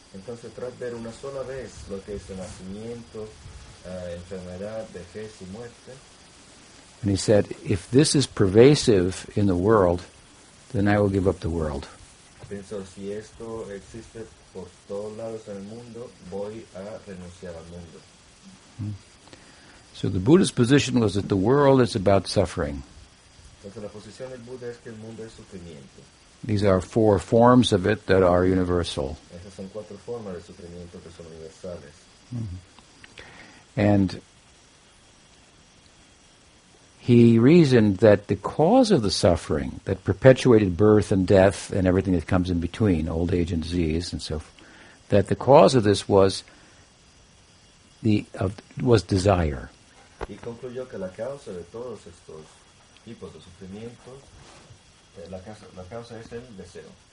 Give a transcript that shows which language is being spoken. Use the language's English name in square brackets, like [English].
[Spanish] Entonces, tras ver una sola vez lo que es el nacimiento, enfermedad, vejez y muerte. [English] And he said, if this is pervasive in the world, then I will give up the world. [Spanish] Pensó, si esto existe por todos lados en el mundo, voy a renunciar al mundo. [English] So the Buddha's position was that the world is about suffering. [Spanish] Entonces, la posición del Buddha es que el mundo es sufrimiento. [English] These are four forms of it that are universal. [Spanish] Esas son cuatro formas de sufrimiento que son universales. [English] And he reasoned that the cause of the suffering that perpetuated birth and death and everything that comes in between, old age and disease and so forth, that the cause of this was desire. [Spanish] Y concluyó que la causa de todos estos tipos de sufrimiento, la causa es el deseo.